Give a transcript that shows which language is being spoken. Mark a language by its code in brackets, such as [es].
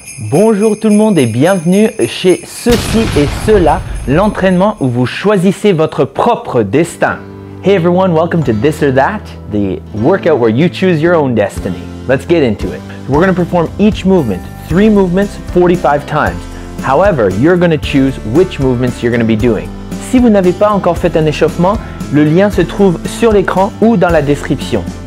[fr] Bonjour tout le monde et bienvenue chez Ceci et Cela, l'entraînement où vous choisissez votre propre destin. [en] Hey everyone, welcome to This or That, the workout where you choose your own destiny. Let's get into it. We're going to perform each movement, 3 movements, 45 times. However, you're going to choose which movements you're going to be doing. [fr] Si vous n'avez pas encore fait un échauffement, le lien se trouve sur l'écran ou dans la description.